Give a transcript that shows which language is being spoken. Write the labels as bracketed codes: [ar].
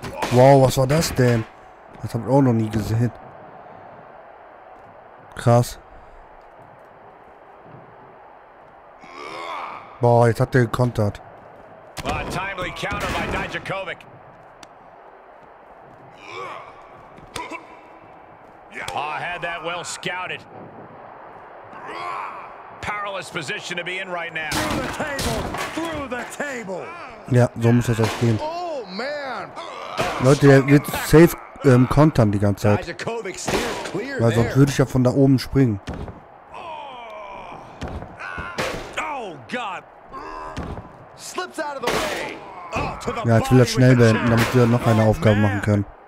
[de] Wow, was war das denn? Das hab ich auch noch nie gesehen. Krass. Boah, jetzt hat der gekontert. [en] Timely counter by Dijakovic. I had that well scouted. Powerless position to be in right now. Through the table. [de] Ja, so muss das auch gehen. Oh man. Leute, der wird safe kontern die ganze Zeit. Weil sonst würde ich ja von da oben springen. [en] Oh God. Slips out of the way. [de] Ja, jetzt will er schnell beenden, damit wir noch eine Aufgabe machen können.